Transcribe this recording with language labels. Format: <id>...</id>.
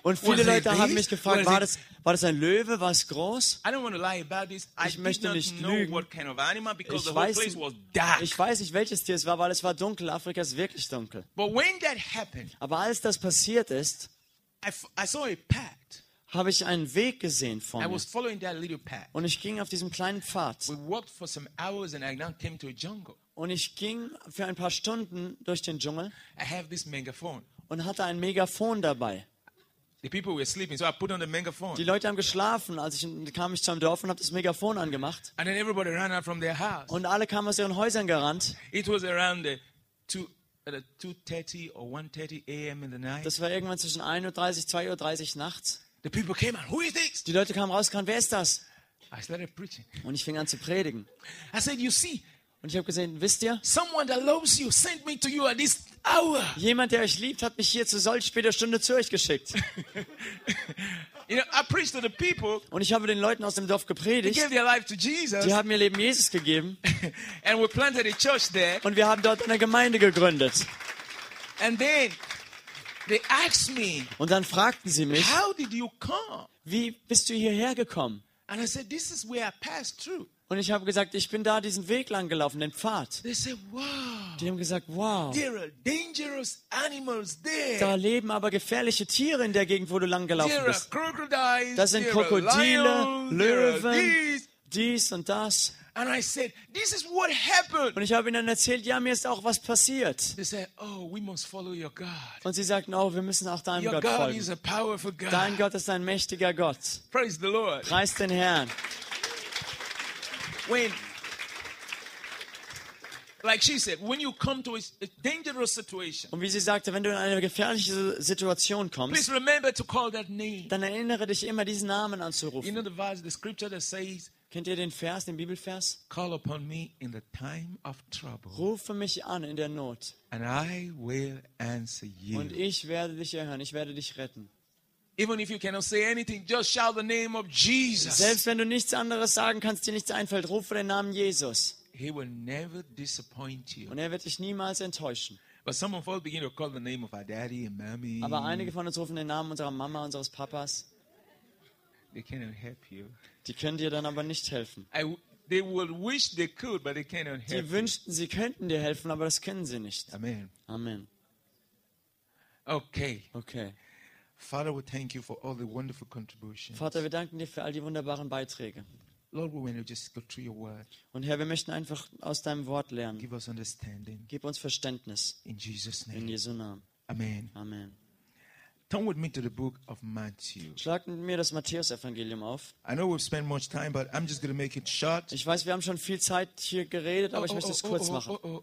<de>Und viele Leute haben mich gefragt, war das ein Löwe, war es groß?</de> <en>I don't want to lie about this.</en> <de>Ich möchte nicht lügen.</de> <en>What kind of animal, because the whole place was dark.</en> <de>Ich weiß nicht, welches Tier es war, weil es war dunkel. Afrika ist wirklich dunkel.</de> <en>But when that happened,</en> <de>aber als das passiert ist,</de> <en>I saw a path.</en> <de>Habe ich einen Weg gesehen vor mir.</de> <en>I was following that little path.</en> <de>Und ich ging auf diesem kleinen Pfad.</de> <en>We walked for some hours and I now came to a jungle.</en> <de>Und ich ging für ein paar Stunden durch den Dschungel.</de> <en>I have this megaphone.</en> <de>Und hatte ein Megafon dabei.</de> <en>The people were sleeping, so I put on the megaphone.</en> <de>Die Leute haben geschlafen, als ich kam ich zum Dorf und habe das Megafon angemacht.</de> <en>And then everybody ran out from their house.</en> <de>Und alle kamen aus ihren Häusern gerannt.</de> <en>It was around the 2:30 or 1:30 a.m. in the night.</en> <de>Das war irgendwann zwischen 1:30 und 2:30 nachts.</de> <en>The people came out. Who is this?</en> <de>Die Leute kamen raus, kamen, wer ist das?</de> <en>I started preaching.</en> <de>Und ich fing an zu predigen.</de> <en>I said, you see,</en> <de>und ich habe gesehen, wisst ihr?</de> <en>Someone that loves you sent me to you at this hour.</en> <de>Jemand, der euch liebt, hat mich hier zu solch später Stunde zu euch geschickt.</de> <en>You know, I preached to the people.</en> <de>Und ich habe den Leuten aus dem Dorf gepredigt.</de> <en>They gave their life to Jesus.</en> <de>Die haben ihr Leben Jesus gegeben.</de> <en>And we planted a church there.</en> <de>Und wir haben dort eine Gemeinde gegründet.</de> <en>And then they asked me,</en> <de>und dann fragten sie mich,</de> <en>how did you come?</en> <de>Wie bist du hierher gekommen?</de> <en>And I said, this is where I passed through.</en> <de>Und ich habe gesagt, ich bin da diesen Weg lang gelaufen, den Pfad.</de> <en>They said, wow.</en> <de>Die haben gesagt, wow.</de> <en>There are dangerous animals there.</en> <de>Da leben aber gefährliche Tiere in der Gegend, wo du lang gelaufen</de> <en>there</en> <de>bist.</de> <en>Are crocodiles,</en> <de>das sind</de> <en>there</en> <de>Krokodile,</de> <en>are lions,</en> <de>Löwen, dies und das.</de> <en>And I said, this is what happened.</en> <de>Und ich habe ihnen erzählt, ja, mir ist auch was passiert.</de> <en>They said, oh, we must follow your God.</en> <de>Und sie sagten, oh, wir müssen auch deinem</de> <en>your</en> <de>Gott</de> <en>God</en> <de>folgen.</de> <en>Is a powerful God.</en> <de>Dein Gott ist ein mächtiger Gott.</de> <en>Praise the Lord.</en> <de>Preist den Herrn.</de> <en>When, like she said, when you come to a dangerous situation,</en> <de>und wie sie sagte, wenn du in eine gefährliche Situation kommst,</de> <en>please remember to call that name.</en> <de>Dann erinnere dich immer, diesen Namen anzurufen.</de> <en>You know the verse, the scripture that says,</en> <de>kennt ihr den Vers, den Bibelvers?</de> <en>Call upon me in the time of trouble.</en> <de>Rufe mich an in der Not.</de> <en>And I will answer you.</en> <de>Und ich werde dich erhören, ich werde dich retten.</de> <en>Even if you cannot say anything, just shout the name of Jesus.</en> <de>Selbst wenn du nichts anderes sagen kannst, dir nichts einfällt, rufe den Namen Jesus.</de> <en>He will never disappoint you.</en> <de>Und er wird dich niemals enttäuschen.</de> <en>But some of us begin to call the name of our daddy and mommy.</en> <de>Aber einige von uns rufen den Namen unserer Mama, unseres Papas.</de> <en>They cannot help you.</en> <de>Die können dir dann aber nicht helfen.</de> <en>They would wish they could, but they cannot help.</en> <de>Sie wünschten, sie könnten dir helfen, aber das können sie nicht.</de> <en>Amen.</en> <de>Amen.</de> <en>Okay.</en> <de>Okay.</de> <en>Father, we thank you for all the wonderful contributions.</en> <de>Vater, wir danken dir für all die wunderbaren Beiträge.</de> <en>Lord, we want to just go through your word.</en> <de>Und Herr, wir möchten einfach aus deinem Wort lernen.</de> <en>Give us understanding.</en> <de>Gib uns Verständnis.</de> <en>In Jesus' name.</en> <de>In Jesu Namen.</de> <en>Amen.</en> <de>Amen.</de> <en>Turn with me to the book of Matthew.</en> <de>Schlag mir das Matthäus-Evangelium auf.</de> <en>I know we've spent much time, but I'm just going to make it short.</en> <de>Ich weiß, wir haben schon viel Zeit hier geredet, aber ich möchte es kurz machen.</de>